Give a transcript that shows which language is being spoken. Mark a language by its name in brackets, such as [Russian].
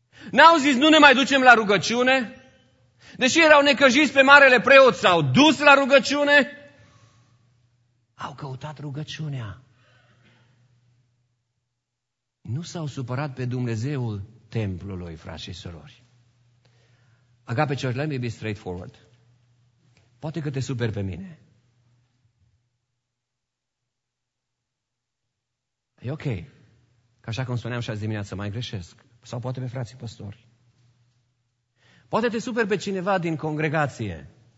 [Romanian] N-au zis, nu ne mai ducem la rugăciune? Deși erau necăjiți pe marele preot, s-au dus la rugăciune? Au căutat rugăciunea. Nu s-au supărat pe Dumnezeul templului, frați și sorori. [English] Agape Church, let me be straightforward. [Romanian] Poate că te superi pe mine. E ok. Că așa cum spuneam și azi dimineață, mai greșesc. Sau poate pe frații păstori. Poate te superi pe cineva din congregație.